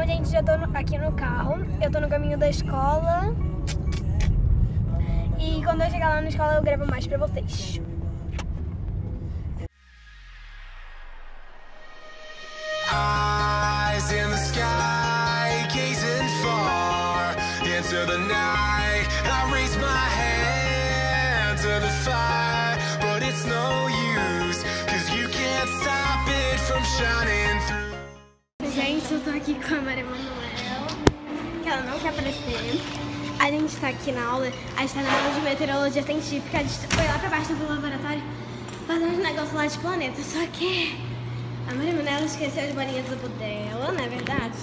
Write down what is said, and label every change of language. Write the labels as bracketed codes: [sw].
[pt] Já tô aqui no carro, eu tô no caminho da escola. E quando eu chegar lá na escola eu gravo mais pra vocês. [en] Eyes in the sky, gazing far into the night. I raise my hand to the fire, but it's no use, cause you can't stop it from shining through. [pt] Gente, eu tô aqui com a Maria Manuela, que ela não quer aparecer. A gente tá aqui na aula, a gente tá na aula de meteorologia científica. A gente foi lá pra baixo do laboratório fazer uns negócios lá de planeta. Só que a Maria Manuela esqueceu as bolinhas do bolo dela, não é verdade?